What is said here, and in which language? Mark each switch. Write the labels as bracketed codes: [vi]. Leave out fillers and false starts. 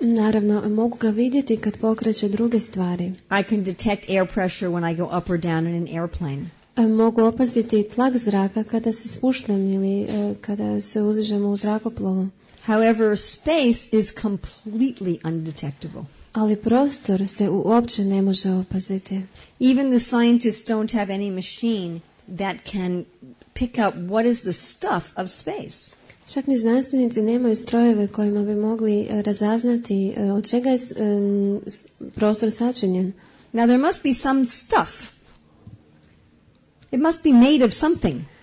[hr] Naravno, mogu ga vidjeti kad pokreće druge stvari. [en] I can detect air pressure when I go up or down in an airplane. [hr] Mogu opaziti tlak zraka kada se spuštam ili kada se uzdižem u zrakoplovu. [en] However, space is completely undetectable. [hr] Ali prostor se uopće ne može opaziti. [en] Even the scientists don't have any machine that can pick up what is the stuff of space. [hr] Čak ni znanstvenici nemaju strojeve kojima bi mogli razaznati od čega je prostor sačinjen. [en] Now there must be some stuff. It must be made of something.